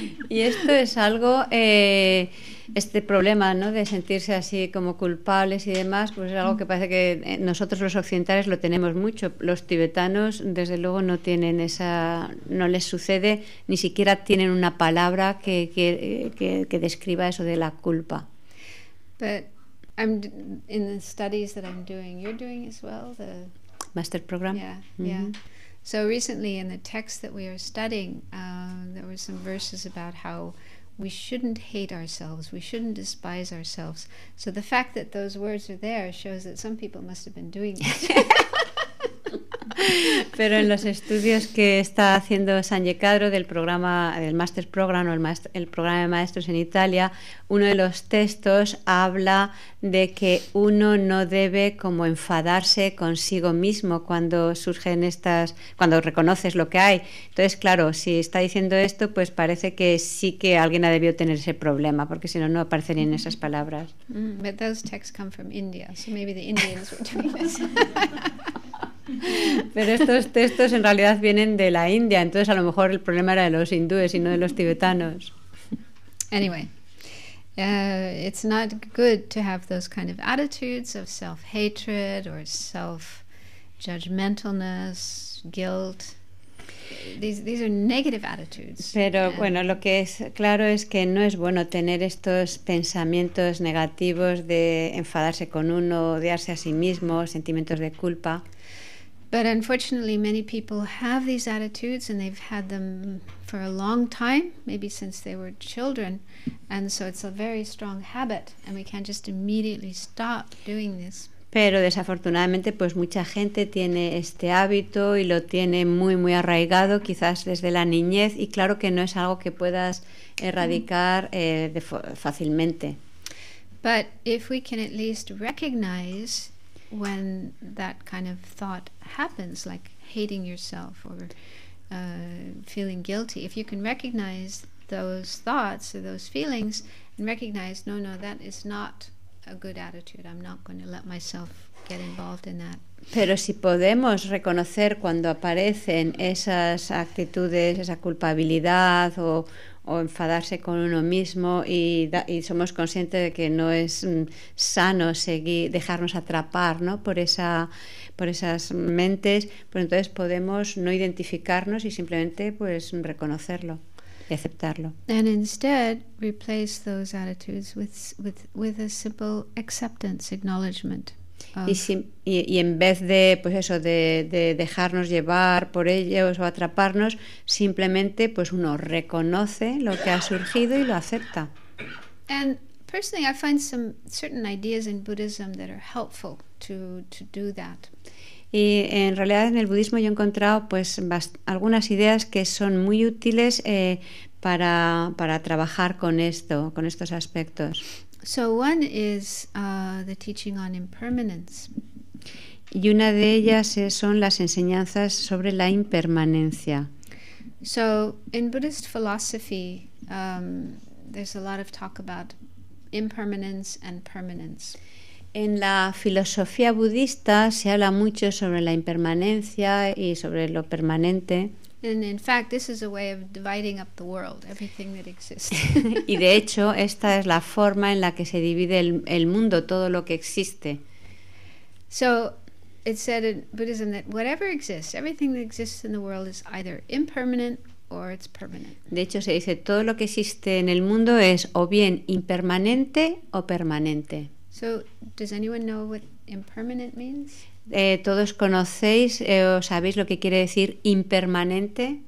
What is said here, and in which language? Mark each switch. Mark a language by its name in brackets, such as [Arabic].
[Spanish] Y esto es algo, este problema, ¿no?, de sentirse así como culpables y demás, pues es algo que parece que nosotros los occidentales lo tenemos mucho. Los tibetanos, desde luego, no tienen no les sucede, ni siquiera tienen una palabra que describa eso de la culpa. [English] But I'm in the studies that I'm doing. You're doing as well, the master program. Yeah, mm-hmm. Yeah. So recently in the text that we are studying, there were some verses about how we shouldn't hate ourselves, we shouldn't despise ourselves. So the fact that those words are there shows that some people must have been doing it. [Spanish] Pero en los estudios que está haciendo Sanjay Kadro del programa, del Master Program o el programa de maestros en Italia, uno de los textos habla de que uno no debe como enfadarse consigo mismo cuando surgen cuando reconoces lo que hay. Entonces, claro, si está diciendo esto, pues parece que sí que alguien ha debido tener ese problema, porque si no, no aparecerían esas palabras. [English] Mm, but those texts come from India, so maybe the Indians were doing this. [Spanish] Pero estos textos en realidad vienen de la India, entonces a lo mejor el problema era de los hindúes y no de los tibetanos. [English] Anyway, it's not good to have those kind of attitudes of self-hatred or self-judgmentalness, guilt. these are negative attitudes. [Spanish] Pero bueno, lo que es claro es que no es bueno tener estos pensamientos negativos de enfadarse con uno, odiarse a sí mismo, sentimientos de culpa. [English] But unfortunately, many people have these attitudes, and they've had them for a long time, maybe since they were children, and so it's a very strong habit, and we can't just immediately stop doing this. [Spanish] Pero desafortunadamente, pues mucha gente tiene este hábito y lo tiene muy, muy arraigado, quizás desde la niñez, y claro que no es algo que puedas erradicar fácilmente. [English] But if we can at least recognize when that kind of thought happens, like hating yourself or feeling guilty, if you can recognize those thoughts or those feelings and recognize, no, no, that is not a good attitude. I'm not going to let myself get involved in that. [Spanish] Pero si podemos reconocer cuando aparecen esas actitudes, esa culpabilidad o enfadarse con uno mismo y somos conscientes de que no es sano seguir dejarnos atrapar, ¿no? por esas mentes, pues entonces podemos no identificarnos y simplemente pues reconocerlo y aceptarlo. [English] And instead replace those attitudes with a simple acceptance, acknowledgement. [Spanish] Y en vez de pues eso de dejarnos llevar por ellos o atraparnos, simplemente pues uno reconoce lo que ha surgido y lo acepta. [English] And personally, I find some certain ideas in Buddhism that are helpful to do that. [Spanish] Y en realidad en el budismo yo he encontrado pues algunas ideas que son muy útiles para trabajar con esto, con estos aspectos. [English] So one is the teaching on impermanence. [Spanish] Y una de ellas son las enseñanzas sobre la impermanencia. [English] So in Buddhist philosophy, there's a lot of talk about impermanence and permanence. [Spanish] En la filosofía budista se habla mucho sobre la impermanencia y sobre lo permanente. [English] And in fact, this is a way of dividing up the world, everything that exists. [Spanish] Y de hecho, esta es la forma en la que se divide el mundo, todo lo que existe. [English] So, it said in Buddhism that whatever exists, everything that exists in the world is either impermanent or it's permanent. [Spanish] De hecho, se dice todo lo que existe en el mundo es o bien impermanente o permanente. [English] So, does anyone know what impermanent means? [Spanish] ¿Todos conocéis o sabéis lo que quiere decir impermanente?